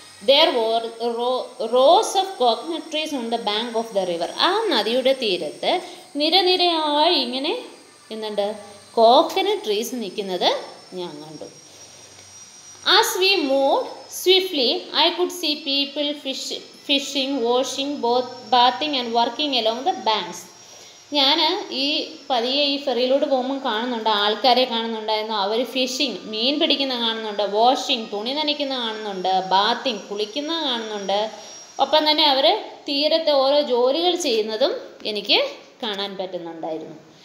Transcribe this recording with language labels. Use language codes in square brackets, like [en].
[en] There were rows of coconut trees on the bank of the river. [ml] ആ നദിയുടെ തീരത്ത് നിരനിരയായി ഇങ്ങനെ എന്തുണ്ട് കോക്കനട്ട് ട്രീസ് നിൽക്കുന്നത് ഞാൻ കണ്ടു. [en] As we moved swiftly, I could see people fishing, washing, both bathing and working along the banks. [ml] ഞാൻ ഈ പതിയെ ഈ ഫെറിയിലോട്ട് പോകുമ്പോൾ കാണുന്നുണ്ട്, ആൾക്കാരെ കാണുന്നുണ്ടായിരുന്നു, അവർ ഫിഷിങ് മീൻ പിടിക്കുന്ന കാണുന്നുണ്ട്, വാഷിങ് തുണി നനയ്ക്കുന്ന കാണുന്നുണ്ട്, ബാത്തിങ് കുളിക്കുന്ന കാണുന്നുണ്ട്, ഒപ്പം തന്നെ അവർ തീരത്തെ ഓരോ ജോലികൾ ചെയ്യുന്നതും എനിക്ക് കാണാൻ പറ്റുന്നുണ്ടായിരുന്നു.